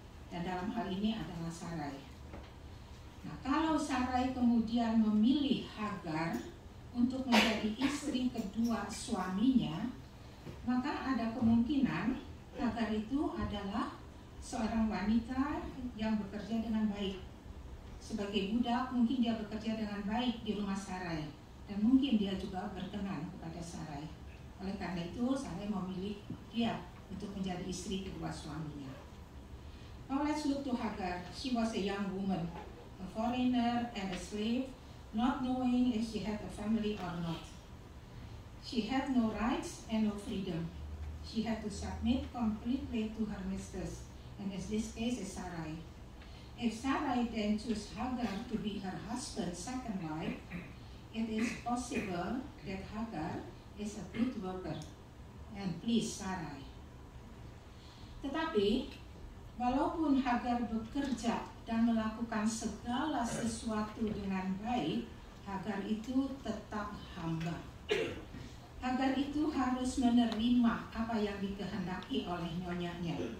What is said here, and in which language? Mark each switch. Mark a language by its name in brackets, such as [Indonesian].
[Indonesian] Dan dalam hal ini adalah Sarai. Nah, kalau Sarai kemudian memilih Hagar untuk menjadi istri kedua suaminya, maka ada kemungkinan Hagar itu adalah seorang wanita yang bekerja dengan baik. Sebagai budak, mungkin dia bekerja dengan baik di rumah Sarai. Dan mungkin dia juga berkenan kepada Sarai. Oleh karena itu, Sarai memilih dia untuk menjadi istri kedua suaminya. [English] Now let's look to Hagar. She was a young woman, a foreigner and a slave, not knowing if she had a family or not. She had no rights and no freedom. She had to submit completely to her mistress, and in this case is Sarai. If Sarai then chose Hagar to be her husband's second wife, it is possible that Hagar is a good worker. And please, Sarai. [Indonesian] Tetapi, walaupun Hagar bekerja dan melakukan segala sesuatu dengan baik, Hagar itu tetap hamba. Hagar itu harus menerima apa yang dikehendaki oleh nyonyanya.